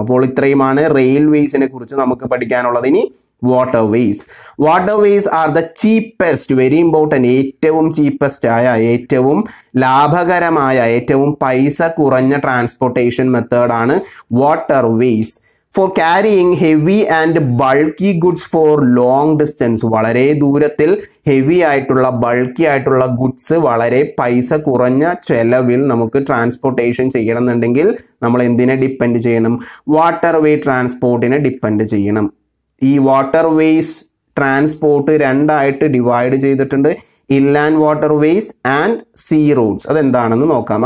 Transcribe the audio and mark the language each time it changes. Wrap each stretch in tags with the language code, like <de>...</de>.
<ml>അപ്പോൾ ഇത്രയുമാണ് റെയിൽവേസിനെ കുറിച്ച് നമുക്ക് പഠിക്കാനുള്ളത്. ഇനി Waterways.</ml> <en>Waterways are the cheapest, very important,</en> <ml>ഏറ്റവും ചീപ്പസ്റ്റ് ആയ, ഏറ്റവും ലാഭകരമായ, ഏറ്റവും പൈസ കുറഞ്ഞ ട്രാൻസ്പോർട്ടേഷൻ മെത്തേഡാണ് Waterways.</ml> <en>For carrying heavy and bulky goods for long distance.</en> <ml>വളരെ ദൂരത്തിൽ ഹെവി ആയിട്ടുള്ള, ബൾക്കി ആയിട്ടുള്ള ഗുഡ്സ് വളരെ പൈസ കുറഞ്ഞ ചെലവിൽ നമുക്ക് ട്രാൻസ്പോർട്ടേഷൻ ചെയ്യണമെന്നുണ്ടെങ്കിൽ നമ്മൾ എന്തിനെ ഡിപ്പെൻഡ് ചെയ്യണം? വാട്ടർവേ ട്രാൻസ്പോർട്ടിനെ ഡിപ്പെൻഡ് ചെയ്യണം. ഈ വാട്ടർവേസ് ട്രാൻസ്പോർട്ട് രണ്ടായിട്ട് ഡിവൈഡ് ചെയ്തിട്ടുണ്ട്.</ml> <en>Inland waterways and sea roads.</en> <ml>അതെന്താണെന്ന് നോക്കാം.</ml>